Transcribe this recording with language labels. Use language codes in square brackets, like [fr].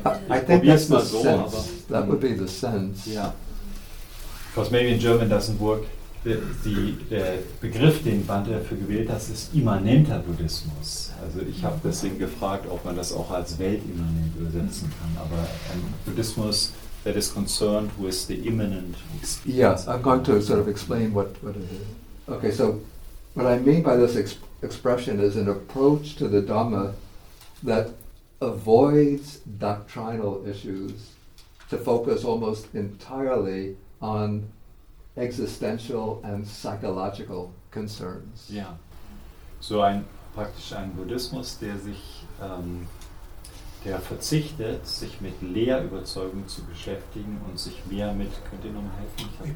[en] I think that would be the sense. Yeah. Because maybe in German doesn't work. [de] Der Begriff, den Bante dafür gewählt hat, ist immanenter Buddhismus. Also ich habe deswegen gefragt, ob man das auch als weltimmanent übersetzen kann. Aber ein Buddhismus [en] that is concerned with the immanent experience. Yes, I'm going to sort of explain what it is. Okay, so what I mean by this expression is an approach to the Dhamma that avoids doctrinal issues to focus almost entirely on existential and psychological concerns. Yeah. [de] So ein Buddhismus, der sich der verzichtet, sich mit Lehrüberzeugung zu beschäftigen und sich mehr mit, könnt ihr nochmal helfen?